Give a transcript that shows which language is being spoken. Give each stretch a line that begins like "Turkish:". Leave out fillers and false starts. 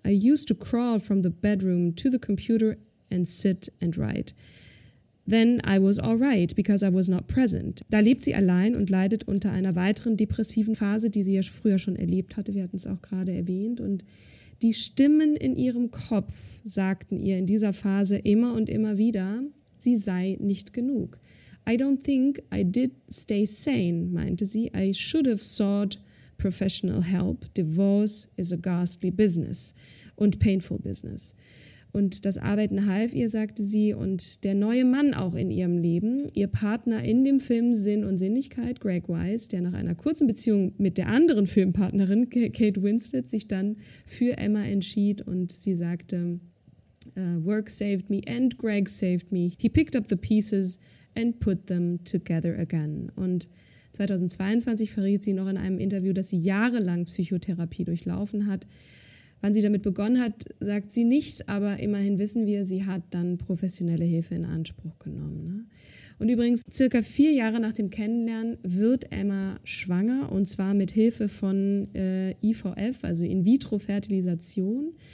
English: I used to crawl from the bedroom to the computer and sit and write. Then I was all right, because I was not present.
German: Da lebt sie allein und leidet unter einer weiteren depressiven Phase, die sie ja früher schon erlebt hatte. Wir hatten es auch gerade erwähnt. Und die Stimmen in ihrem Kopf sagten ihr in dieser Phase immer und immer wieder, sie sei nicht genug.
English: I don't think I did stay sane,
German: meinte sie.
English: I should have sought professional help. Divorce is a ghastly business und painful business.
German: Und das Arbeiten half ihr, sagte sie, und der neue Mann auch in ihrem Leben, ihr Partner in dem Film Sinn und Sinnlichkeit, Greg Wise, der nach einer kurzen Beziehung mit der anderen Filmpartnerin, Kate Winslet, sich dann für Emma entschied und sie sagte,
English: Work saved me and Greg saved me. He picked up the pieces and put them together again.
German: Und 2022 verriet sie noch in einem Interview, dass sie jahrelang Psychotherapie durchlaufen hat. Wann sie damit begonnen hat, sagt sie nicht, aber immerhin wissen wir, sie hat dann professionelle Hilfe in Anspruch genommen. Ne? Und übrigens, circa 4 Jahre nach dem Kennenlernen wird Emma schwanger, und zwar mit Hilfe von IVF, also In-Vitro-Fertilisation.